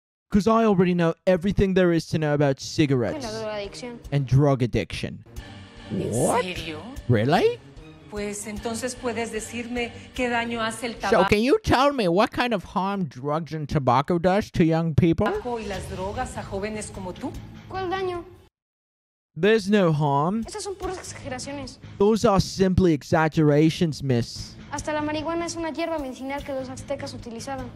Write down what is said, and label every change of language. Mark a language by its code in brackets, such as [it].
[en] Because I already know everything there is to know about cigarettes and drug addiction. What? Really? [es] Pues entonces puedes decirme qué daño hace el tabaco. [en] So can you tell me what kind of harm drugs and tobacco does to young people? [es] ¿Y las drogas a jóvenes como tú? ¿Cuál daño? [en] There's no harm. [es] Esas son puras exageraciones. [en] Those are simply exaggerations, miss. [es] Hasta la marihuana es una hierba medicinal que los aztecas utilizaban.